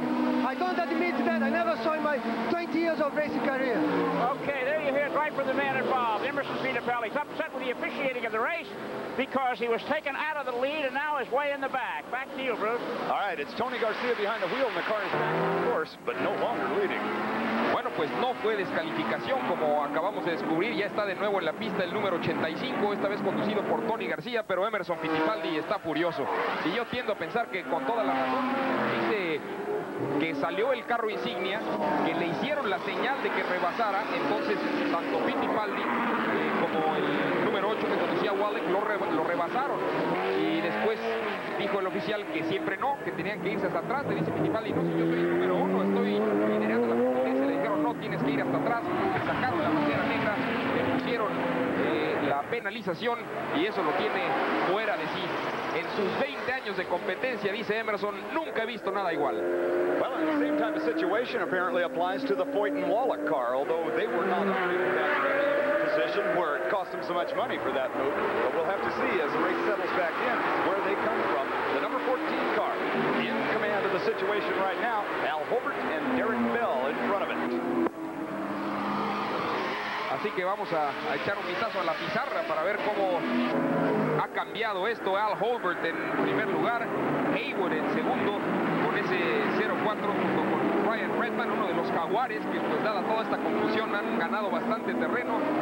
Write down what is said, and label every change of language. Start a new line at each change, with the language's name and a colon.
English: I don't admit that. I never saw in my 20 years of racing career. Okay, there you hear it right from the man involved. Emerson Fittipaldi is upset with the officiating of the race because he was taken out of the lead and now is way in the back. Back to you, Bruce. All right, it's Tony Garcia behind the wheel and the car is back, of course, but no longer leading.
Spanish: Bueno, pues no fue descalificación, como acabamos de descubrir. Ya está de nuevo en la pista el número 85, esta vez conducido por Tony García, pero Emerson Fittipaldi está furioso. Y yo tiendo a pensar que con toda la razón, dice que salió el carro insignia, que le hicieron la señal de que rebasara. Entonces, tanto Fittipaldi como el número 8 que conducía Wallach lo rebasaron. Y después dijo el oficial que siempre no, que tenían que irse hasta atrás. Le dice Fittipaldi, no, si yo soy el número 1, estoy liderando la competencia. Le dijeron, no, tienes que ir hasta atrás. Le sacaron la bandera negra, le pusieron la penalización y eso lo tiene fuera de sí. En sus 20 años de competencia, dice Emerson, nunca he visto nada igual.
English: Well, at the same time, the situation apparently applies to the Foyt and Wallach car, although they were not in that position where it cost them so much money for that move. But we'll have to see as the race settles back in where they come from. The number 14 car in command of the situation right now, Al Horvath and Derek Bell in front of it.
Spanish: Así que vamos a echar un vistazo a la pizarra para ver cómo ha cambiado esto. Al Horvath en primer lugar, Hayward en segundo con ese 0-4 junto con Ryan Redman, uno de los jaguares que pues dada toda esta confusión han ganado bastante terreno.